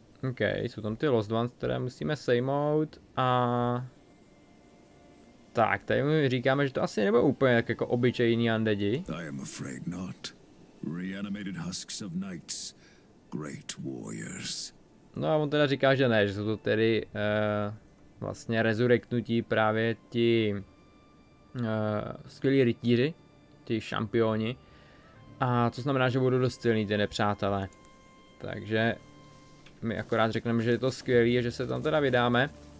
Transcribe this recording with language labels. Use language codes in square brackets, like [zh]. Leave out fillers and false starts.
[cs] OK, jsou tam ty Lost Ones, které musíme sejmout a... Tak, tady mi říkáme, že to asi nebylo úplně tak jako obyčejný undeadi. [en] I am afraid not. Reanimated husks of knights. Great warriors. [cs] No a on teda říká, že ne, že jsou to tedy vlastně rezurektnutí právě ti skvělí rytíři, ti šampioni. A to znamená, že budou dost silný ty nepřátelé. Takže my akorát řekneme, že je to skvělý a že se tam teda vydáme.